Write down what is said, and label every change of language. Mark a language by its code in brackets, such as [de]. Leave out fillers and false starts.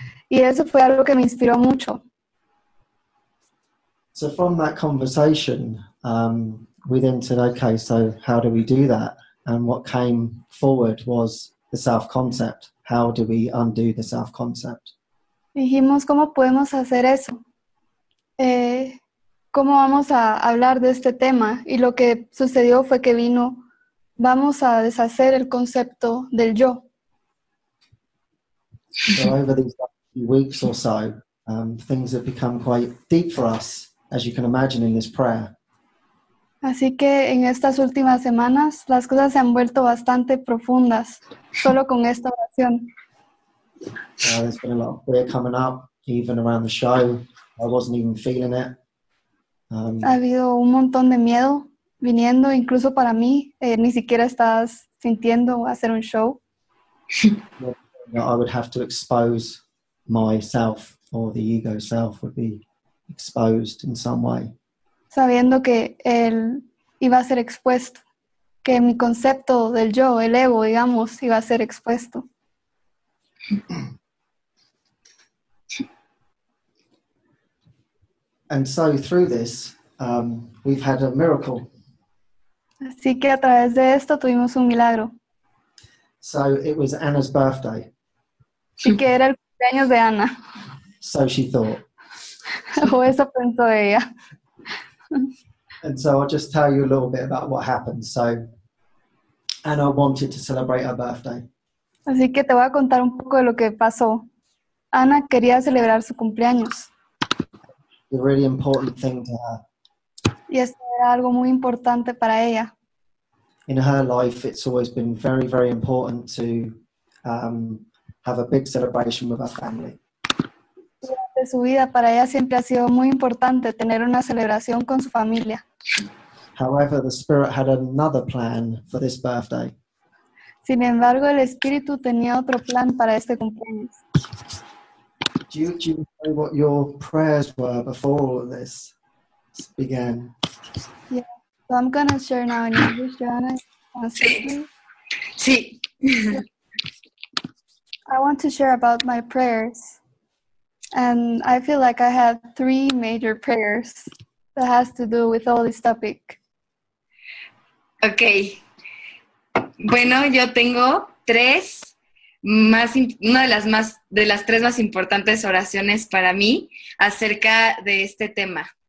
[es] Y eso fue algo que me inspiró mucho. [en] So from that conversation, we then said, okay, so how do we do that? And what came forward was the self-concept. How do we undo the self-concept? [es] Dijimos, ¿cómo podemos hacer eso? ¿Cómo vamos a hablar de este tema? Y lo que sucedió fue que vino, vamos a deshacer el concepto del yo. [en] So over these weeks or so, things have become quite deep for us, as you can imagine in this prayer. [es] Así que en estas últimas semanas las cosas se han vuelto bastante profundas solo con esta oración. [en] There's been a lot of prayer coming up, even around the show. I wasn't even feeling it. [es] Ha habido un montón de miedo viniendo, incluso para mí, ni siquiera estás sintiendo hacer un show. [en] I would have to expose myself, or the ego self would be exposed in some way. [es] Sabiendo que él iba a ser expuesto, que mi concepto del yo, el ego, digamos, iba a ser expuesto. [en] And so through this, we've had a miracle. [es] Así que a través de esto tuvimos un milagro. [en] So it was Anna's birthday. [es] Y que era el cumpleaños de Ana. [en] So she thought. [es] O eso pensó ella. [en] And so I'll just tell you a little bit about what happened. So Anna wanted to celebrate her birthday. [es] Así que te voy a contar un poco de lo que pasó. Ana quería celebrar su cumpleaños. [en] A really important thing to her. [es] Y esto era algo muy importante para ella. [en] In her life, it's always been very, very important to have a big celebration with her family. [es] De su vida, para ella siempre ha sido muy importante tener una celebración con su familia. [en] However, the spirit had another plan for this birthday. [es] Sin embargo, el espíritu tenía otro plan para este cumpleaños. [en] Do you know what your prayers were before all of this began? Yeah, so I'm going to share now in English, Joanna. [es] Sí. [en] I want to share about my prayers. And I feel like I have three major prayers that has to do with all this topic. Okay. [es] Bueno, yo tengo tres más, una de las más, de las tres más importantes oraciones para mí acerca de este tema.